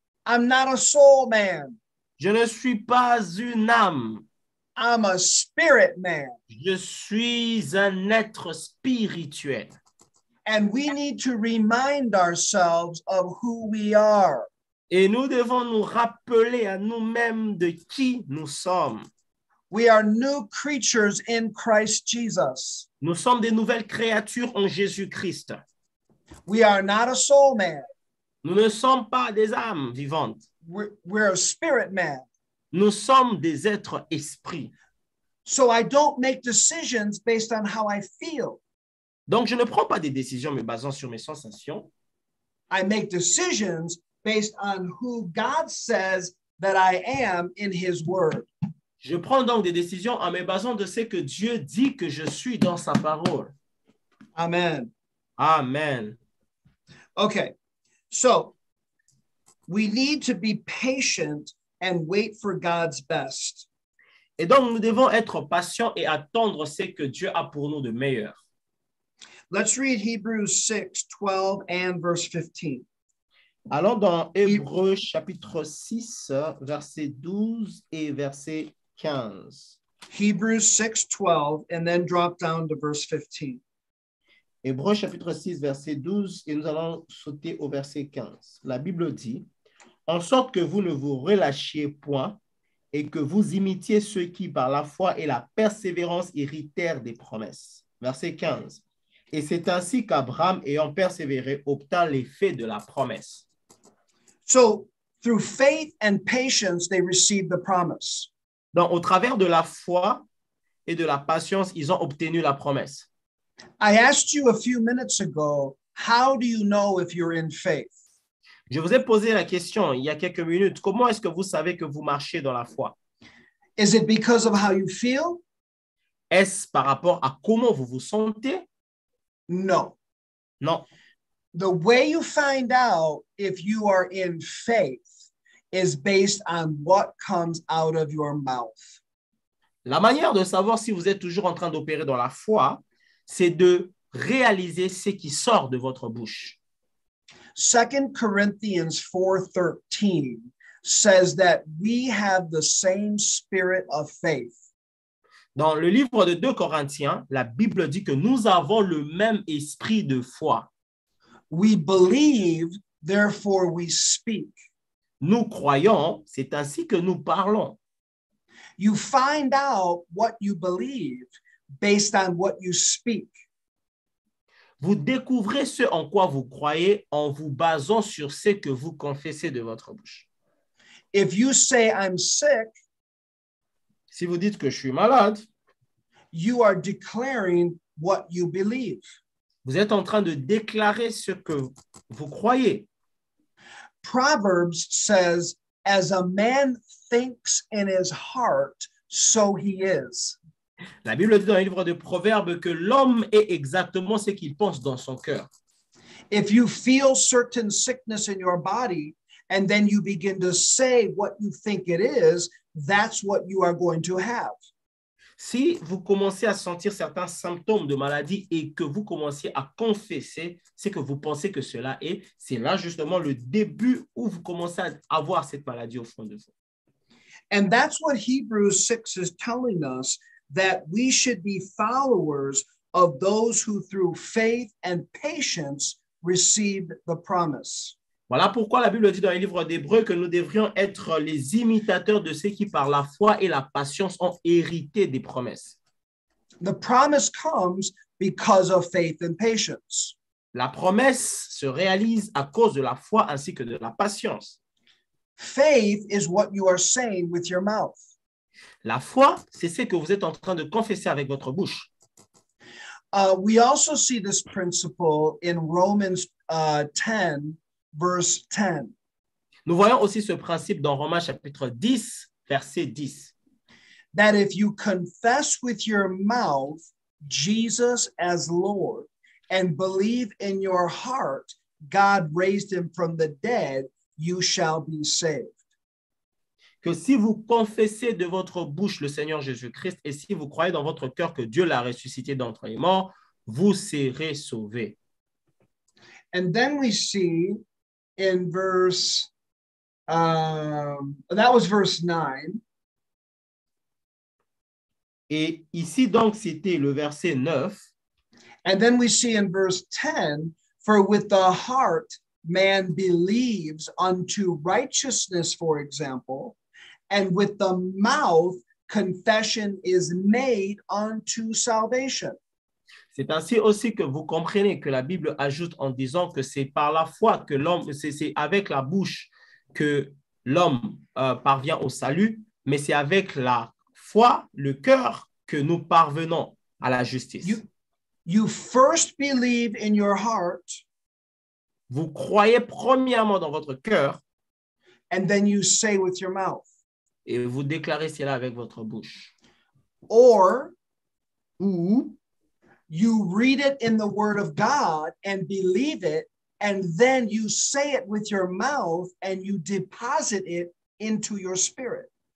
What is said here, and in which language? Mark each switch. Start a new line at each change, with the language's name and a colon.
English: I'm not a soul man.
French: Je ne suis pas une âme.
English: I'm a spirit man.
French: Je suis un être spirituel.
English: And we need to remind ourselves of who we are.
French: Et nous devons nous rappeler à nous-mêmes de qui nous sommes.
English: We are new creatures in Christ Jesus.
French: Nous sommes des nouvelles créatures en Jésus-Christ.
English: We are not a soul man.
French: Nous ne sommes pas des âmes vivantes.
English: We're a spirit man.
French: Nous sommes des êtres esprits.
English: So I don't make decisions based on how I feel.
French: Donc je ne prends pas des décisions me basant sur mes sensations.
English: I make decisions based on who God says that I am in his word.
French: Je prends donc des décisions en me basant de ce que Dieu dit que je suis dans sa parole. Amen. Amen.
English: Okay. So, we need to be patient and wait for God's best.
French: Et donc, nous devons être patients et attendre ce que Dieu a pour nous de meilleur.
English: Let's read Hebrews 6, 12 and verse 15.
French: Allons dans Hébreux chapitre 6, verset 12 et verset 15.
English: Hebrews 6, 12 and then drop down to verse 15.
French: Hébreux chapitre 6, verset 12, et nous allons sauter au verset 15. La Bible dit, « En sorte que vous ne vous relâchiez point et que vous imitiez ceux qui, par la foi et la persévérance, héritèrent des promesses. » Verset 15. « Et c'est ainsi qu'Abraham, ayant persévéré, obtint l'effet de la promesse. »
English: So, through faith and patience, they received the promise.
French: Donc, au travers de la foi et de la patience, ils ont obtenu la promesse.
English: I asked you a few minutes ago, how do you know if you're in faith?
French: Je vous ai posé la question il y a quelques minutes. Comment est-ce que vous savez que vous marchez dans la foi?
English: Is it because of how you feel?
French: Est-ce par rapport à comment vous vous sentez?
English: No.
French: Non.
English: The way you find out if you are in faith is based on what comes out of your mouth.
French: La manière de savoir si vous êtes toujours en train d'opérer dans la foi, c'est de réaliser ce qui sort de votre bouche.
English: 2 Corinthiens 4:13 says that we have the same spirit of faith.
French: Dans le livre de 2 Corinthiens, la Bible dit que nous avons le même esprit de foi.
English: We believe, therefore we speak.
French: Nous croyons, c'est ainsi que nous parlons.
English: You find out what you believe based on what you speak.
French: Vous découvrez ce en quoi vous croyez en vous basant sur ce que vous confessez de votre bouche.
English: If you say I'm sick,
French: si vous dites que je suis malade,
English: you are declaring what you believe.
French: Vous êtes en train de déclarer ce que vous croyez.
English: Proverbs says, as a man thinks in his heart, so he is.
French: La Bible dit dans le livre de Proverbes que l'homme est exactement ce qu'il pense dans son cœur.
English: If you feel certain sickness in your body and then you begin to say what you think it is, that's what you are going to have.
French: Si vous commencez à sentir certains symptômes de maladie et que vous commencez à confesser ce que vous pensez que cela est, c'est là justement le début où vous commencez à avoir cette maladie au fond de vous.
English: And that's what Hebrews 6 is telling us, that we should be followers of those who through faith and patience received the promise.
French: Voilà pourquoi la Bible dit dans le livre d'Hébreux que nous devrions être les imitateurs de ceux qui par la foi et la patience ont hérité des promesses.
English: The promise comes because of faith and patience.
French: La promesse se réalise à cause de la foi ainsi que de la patience.
English: Faith is what you are saying with your mouth.
French: La foi, c'est ce que vous êtes en train de confesser avec votre bouche.
English: We also see this principle in Romans 10, verse 10.
French: Nous voyons aussi ce principe dans Romains chapitre 10, verset 10.
English: That if you confess with your mouth Jesus as Lord and believe in your heart God raised him from the dead, you shall be saved.
French: Que si vous confessez de votre bouche le Seigneur Jésus-Christ et si vous croyez dans votre cœur que Dieu l'a ressuscité d'entre les morts, vous serez sauvés.
English: And then we see in verse, that was verse 9.
French: Et ici donc c'était le verset 9.
English: And then we see in verse 10, for with the heart man believes unto righteousness, for example, and with the mouth, confession is made unto salvation.
French: C'est ainsi aussi que vous comprenez que la Bible ajoute en disant que c'est par la foi que l'homme, c'est avec la bouche que l'homme parvient au salut, mais c'est avec la foi, le cœur, que nous parvenons à la justice.
English: You first believe in your heart.
French: Vous croyez premièrement dans votre cœur.
English: And then you say with your mouth.
French: Et vous déclarez cela avec votre bouche.
English: Or,
French: ou
English: you read it in the word of God and believe it, and then you say it with your mouth and you deposit it into your spirit.